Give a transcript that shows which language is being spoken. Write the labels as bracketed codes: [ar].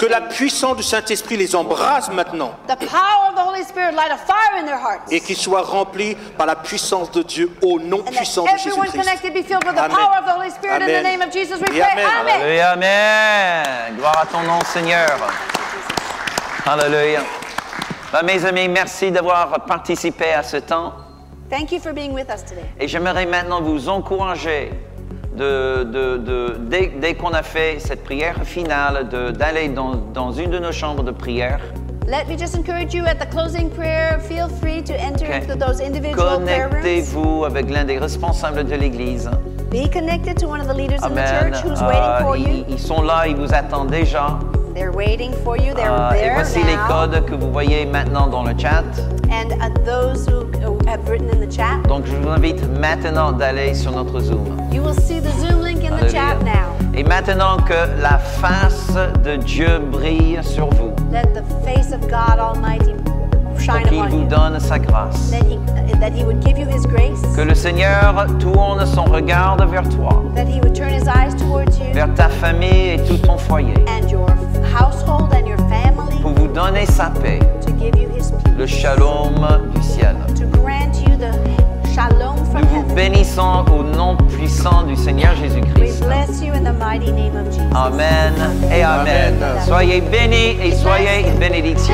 [fr] Que la puissance du Saint-Esprit les embrase maintenant. [en] The power of the Holy Spirit light a fire in their hearts. [fr] Et qu'ils soient remplis par la puissance de Dieu au nom puissant de Jésus-Christ. [en] Everyone connected be filled with the Amen. Power of the Holy Spirit Amen. In the name of Jesus we pray. Amen. [fr] Alléluia, amen. Gloire à ton nom, Seigneur. Alléluia. Ben, mes amis, merci d'avoir participé à ce temps. [en] Thank you for being with us today. [fr] Et j'aimerais maintenant vous encourager dès qu'on a fait cette prière finale, d'aller dans une de nos chambres de prière. [en] Let me just encourage you at the closing prayer, feel free to enter okay. into those individual prayer rooms. [fr] Connectez-vous avec l'un des responsables de l'église. [en] Be connected to one of the leaders Amen. In the church who's waiting for you. [fr] Ils sont là, ils vous attendent déjà. [en] They're waiting for you, they're there [fr] et voici [en] now. [fr] Les codes que vous voyez maintenant dans le chat. [en] And those who have written in the chat. [fr] Donc je vous invite maintenant d'aller sur notre Zoom. [en] You will see the Zoom link in Alleluia. The chat now. [fr] Et maintenant que la face de Dieu brille sur vous. [en] Let the face of God Almighty shine upon you. [fr] Qu'il vous donne sa grâce. [en] That he would give you his grace. [fr] Que le Seigneur tourne son regard vers toi. [en] That he would turn his eyes towards you. [fr] Vers ta famille et tout ton foyer. [en] And your household and your family. [fr] Pour vous donner sa paix. [en] To give you his peace. [fr] Le shalom du ciel. [en] To grant you the shalom from [fr] Nous vous bénissons [en] heaven. [fr] Au nom puissant du Seigneur Jésus-Christ. [en] We bless you in the mighty name of Jesus. [fr] Amen et amen. Amen. Soyez bénis et soyez une bénédiction.